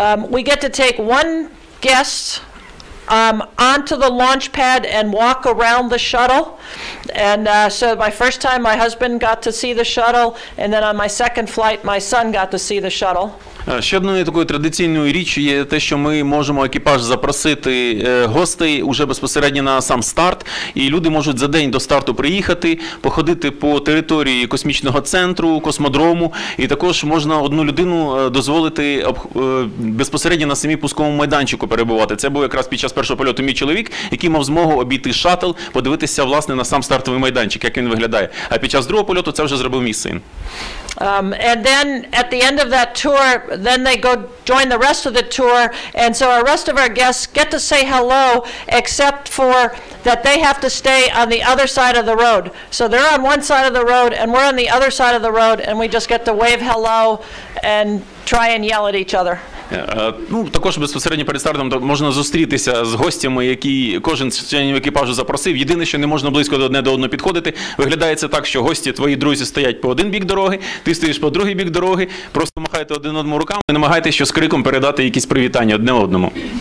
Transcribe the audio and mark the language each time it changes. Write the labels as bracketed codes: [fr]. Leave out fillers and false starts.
[en] We get to take one guest onto the launch pad and walk around the shuttle. And so my first time my husband got to see the shuttle, and then on my second flight my son got to see the shuttle. [uk] Ще одною такою традиційною річчю є те, що ми можемо екіпаж запросити гостей уже безпосередньо на сам старт, і люди можуть за день до старту приїхати, походити по території космічного центру, космодрому, і також можна одну людину дозволити безпосередньо на самій пусковому майданчику перебувати. Це був якраз під час першого польоту мій чоловік, який мав змогу обійти шаттл, подивитися, власне, на сам стартовий майданчик, як він виглядає. А під час другого польоту це вже зробив мій син. [en] And then at the end of that tour, then they go join the rest of the tour, and so our rest of our guests get to say hello, except for that they have to stay on the other side of the road. So they're on one side of the road, and we're on the other side of the road, and we just get to wave hello and try and yell at each other. [uk] Ну, також безпосередньо перед стартом можна зустрітися з гостями, які кожен членів екіпажу запросив. Єдине, що не можна близько одне до одного підходити. Виглядає це так, що гості, твої друзі, стоять по один бік дороги, ти стоїш по другий бік дороги, просто махаєте один одному руками і намагаєтесь що з криком передати якісь привітання одне одному.